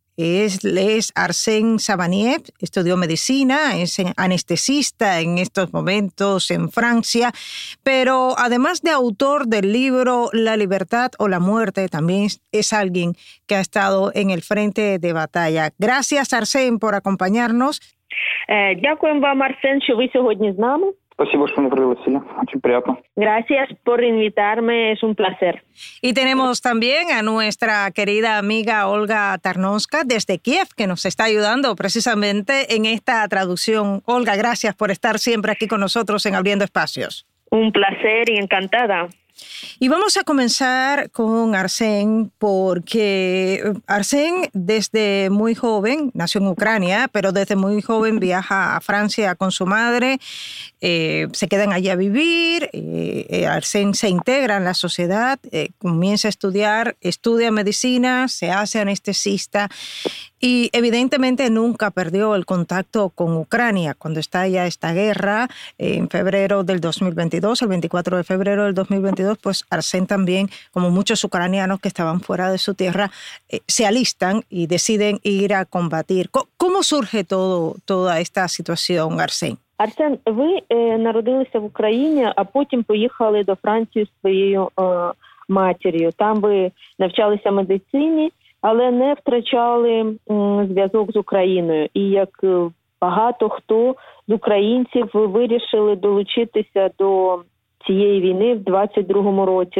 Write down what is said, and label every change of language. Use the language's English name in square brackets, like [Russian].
[Spanish] Es Arsen Sabaniev, estudió medicina, es anestesista en estos momentos en Francia, pero además de autor del libro La libertad o la muerte, también es alguien que ha estado en el frente de batalla. Gracias, Arsen, por acompañarnos. [Ukrainian] Дякуємо вам, Арсен, що ви сьогодні з нами. [Russian] Спасибо, що ми пригласили. [Ukrainian] Дуже приємно. [Spanish] Gracias por invitarme, es un placer. Y tenemos también a nuestra querida amiga Olga Tarnowska desde Kiev, que nos está ayudando precisamente en esta traducción. Olga, gracias por estar siempre aquí con nosotros en Abriendo Espacios. Un placer y encantada. Y vamos a comenzar con Arsen, porque Arsen desde muy joven, nació en Ucrania, pero desde muy joven viaja a Francia con su madre, se quedan allí a vivir, Arsen se integra en la sociedad, comienza a estudiar, estudia medicina, se hace anestesista y evidentemente nunca perdió el contacto con Ucrania cuando estalla esta guerra en febrero del 2022, el 24 de febrero del 2022. Pues Arsen también, como muchos ucranianos que estaban fuera de su tierra, se alistan y deciden ir a combatir. ¿Cómo surge toda esta situación, Arsen? [Ukrainian] Arsen, ви народилися в Україні, а потім поїхали до Франції з своєю матір'ю. Там ви навчалися медицині, але не втрачали зв'язок з Україною. І як багато хто з українців вирішили долучитися до цієї війни в 22-му році.